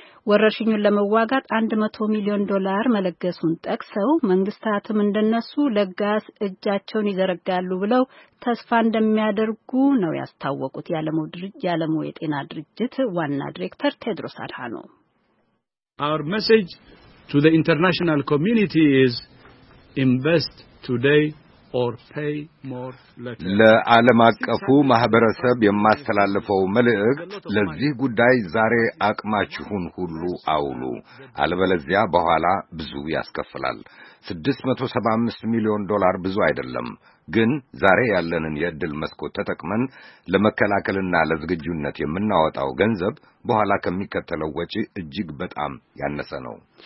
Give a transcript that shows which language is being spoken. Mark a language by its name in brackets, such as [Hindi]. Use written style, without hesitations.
[Amharic] ወረርሽኙን ለመዋጋት 100 ሚሊዮን ዶላር መለገሱን ጠቅሰው መንግስታትም እንደነሱ ለጋስ እጃቸውን ይዘረጋሉ ብለው ተስፋ እንደሚያደርጉ ነው ያስታወቁት የዓለሙ የጤና ድርጅት ዋና ዲሬክተር ቴድሮስ አድሃኖም። [English] Our message to the international community is invest today or pay more later. [Amharic] ለዓለም አቀፉ ማህበረሰብ የማስተላልፈው መልእክት ለዚህ ጉዳይ ዛሬ አቅማችሁን ሁሉ አውሉ፣ አለበለዚያ በኋላ ብዙ ያስከፍላል። 675 ሚሊዮን ዶላር ብዙ አይደለም፣ ግን ዛሬ ያለንን የድል መስኮት ተጠቅመን ለመከላከልና ለዝግጁነት የምናወጣው ገንዘብ በኋላ ከሚከተለው ወጪ እጅግ በጣም ያነሰ ነው።